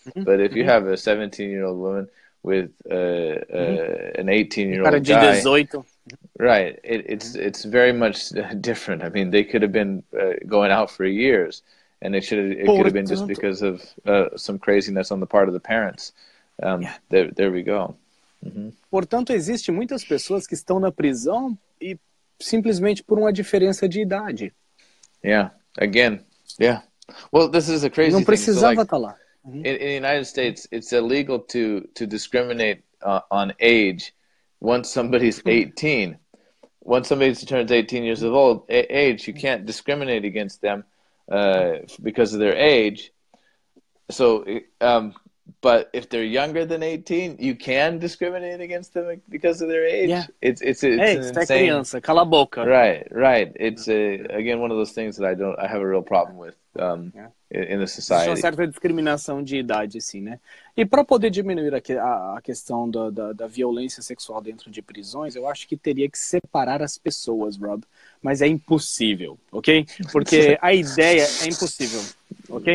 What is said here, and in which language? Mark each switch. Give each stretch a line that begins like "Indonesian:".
English: But if you have a 17-year-old woman with an 18-year-old guy, 18. Right? It's very much different. I mean, they could have been going out for years, and could have been just because of some craziness on the part of the parents. There we go.
Portuguese: Portanto, existe muitas pessoas que estão na prisão e simplesmente por uma diferença de idade.
English: Yeah, Again, yeah. Well, this is a crazy thing.
Portuguese: Não precisava estar lá.
English: In the United States, it's illegal to discriminate on age once somebody's 18. Once somebody turns 18 years of old, age, you can't discriminate against them because of their age. So, but if they're younger than 18, you can discriminate against them because of their age. Yeah. It's insane.
Portuguese: Criança, cala a boca.
English: Right. It's again one of those things that I have a real problem with in the society.
Portuguese: Uma certa discriminação de idade, assim, né? E para poder diminuir a questão da violência sexual dentro de prisões, eu acho que teria que separar as pessoas, Rob. Mas é impossível, ok? Porque a ideia é impossível, ok?